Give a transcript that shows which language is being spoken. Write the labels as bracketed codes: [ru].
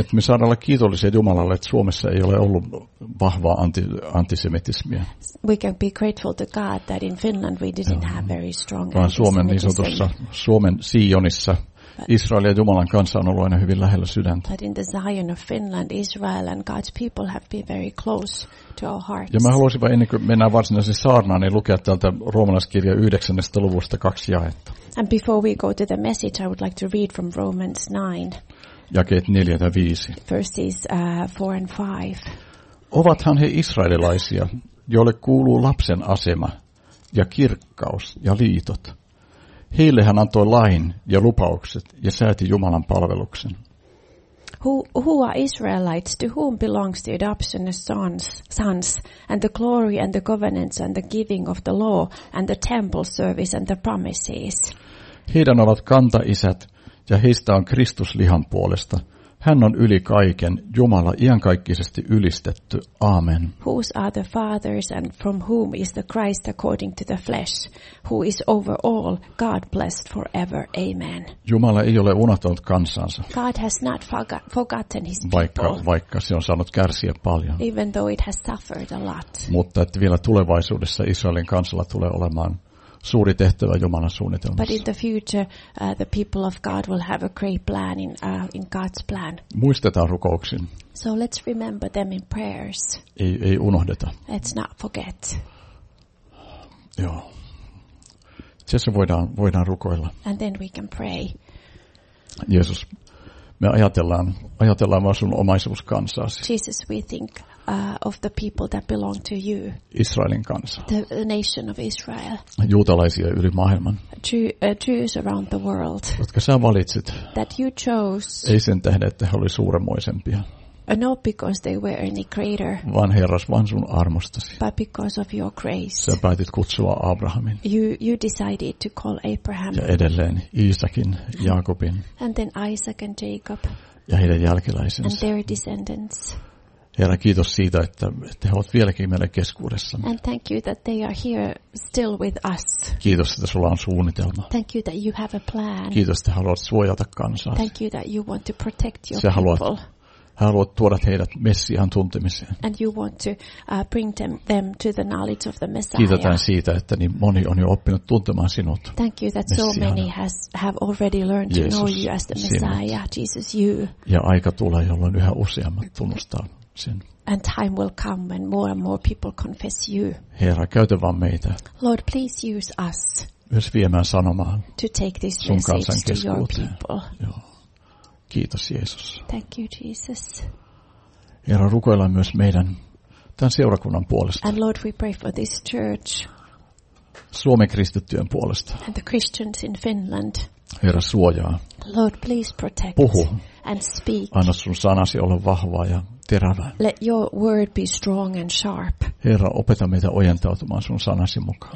[fi] Et me saadaan olla kiitollisia Jumalalle, että Suomessa ei ole ollut vahvaa antisemitismiä. [en] We can be grateful to God that in Finland we didn't have very strong antisemitism. [fi] Suomen niin sanotussa Suomen Siionissa Israel ja Jumalan kansa on ollut aina hyvin lähellä sydäntä. [en] But in the Zion of Finland, Israel and God's people have been very close to our hearts. [fi] Ja mä haluaisin vain ennen kuin mennään varsinaisen saarnaan, niin lukea täältä roomalaiskirja 9. luvusta 2 jaetta. [en] And before we go to the message, I would like to read from Romans 9. [fi] Jakeet 4-5. [en] Verses 4-5. [fi] Ovathan he israelilaisia, joille kuuluu lapsen asema ja kirkkaus ja liitot. Heille hän antoi lain ja lupaukset ja sääti Jumalan palveluksen. [en] Who are Israelites? To whom belongs the adoption as sons, and the glory and the covenants and the giving of the law and the temple service and the promises? [fi] Heidän ovat kantaisät ja heistä on Kristus lihan puolesta. Hän on yli kaiken, Jumala iankaikkisesti ylistetty. Amen. [en] Whose are the fathers and from whom is the Christ according to the flesh? Who is over all, God blessed forever. Amen. [fi] Jumala ei ole unohtanut kansansa. [en] God has not forgotten his people. [fi] Vaikka se on saanut kärsiä paljon. [en] Even though it has suffered a lot. [fi] Mutta että vielä tulevaisuudessa Israelin kansalla tulee olemaan suuri tehtävä Jumalan suunnitelmassa. [en] But in the future, the people of God will have a great plan in God's plan. [fi] Muistetaan rukouksin. [en] So let's remember them in prayers. [fi] Ei unohdeta. [en] Let's not forget. [fi] Joo. Tässä voidaan rukoilla. [en] And then we can pray. [fi] Jeesus, me ajatellaan vaan sun omaisuuskansaasi. [en] Jesus, we think of the people that belong to you. [fi] Israelin kansa. [en] The nation of Israel. [fi] Juutalaisia yli maailman. [en] Jews around the world. [fi] Jotka sä valitsit. [en] That you chose. [fi] Ei sen tähden, että he oli suuremmoisempia. [en] not because they were any greater. [fi] Vaan Herras, vaan sun armostasi. [en] But because of your grace. [fi] Sä päätit kutsua Abrahamin. [en] You decided to call Abraham. [fi] Ja edelleen Iisakin, Jaakobin. [en] And then Isaac and Jacob. [fi] Ja heidän jälkeläisensä. [en] And their descendants. [fi] Herra, kiitos siitä, että he ovat vieläkin meidän keskuudessamme. [en] And thank you that they are here still with us. [fi] Kiitos, että sulla on suunnitelma. [en] Thank you that you have a plan. [fi] Kiitos, että haluat suojata kansaa. [en] Thank you that you want to protect your people. [fi] Haluat tuoda heidät Messiaan tuntemiseen. [en] And you want to bring them to the knowledge of the Messiah. [fi] Kiitetään siitä, että niin moni on jo oppinut tuntemaan sinut. [en] Thank you that [fi] Messiaana. [en] So many have already learned [fi] Jeesus, [en] to know you as the Messiah, [fi] sinut. [en] Jesus, you. [fi] Ja aika tulee, jolloin yhä useammat tunnustaa. [en] And time will come when more and more people confess you. [fi] Herra, käytä vaan meitä. [en] Lord, please use us. [fi] Myös viemään sanomaan. [en] To take this message to your people. [fi] Joo. Kiitos Jeesus. [en] Thank you Jesus. [fi] Herra, rukoillaan myös meidän tämän seurakunnan puolesta. [en] And Lord, we pray for this church. [fi] Suomen kristittyjen puolesta. [en] And the Christians in Finland. [fi] Herra, suojaa. [en] Lord, please protect. [fi] Puhu. [en] And speak. [fi] Anna sun sanasi olla vahvaa ja terävä. [en] Let your word be strong and sharp. [fi] Herra, opeta meitä ojentautumaan sun sanasi mukaan.